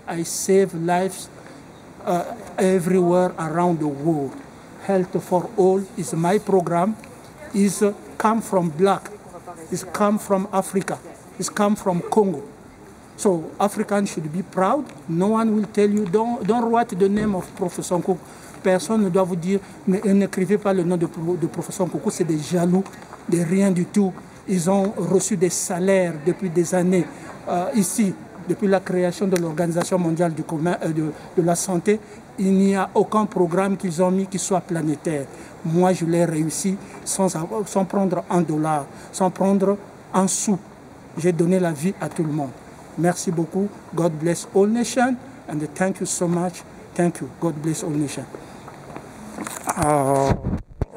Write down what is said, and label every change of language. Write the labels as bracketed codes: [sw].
[en] I save lives everywhere around the world. Health for all is my program. It's come from black. It's come from Africa. It's come from Congo. So Africans should be proud. No one will tell you, don't write the name of Professor Nkounkou. [fr] Personne ne doit vous dire, n'écrivez pas le nom de Professor Nkounkou. C'est des jaloux, de rien du tout. Ils ont reçu des salaires depuis des années ici, depuis la création de l'Organisation mondiale du commun, de la santé. Il n'y a aucun programme qu'ils ont mis qui soit planétaire. Moi, je l'ai réussi sans prendre un dollar, sans prendre un sou. J'ai donné la vie à tout le monde. Merci beaucoup. [en] God bless all nations. And thank you so much. Thank you. God bless all nations.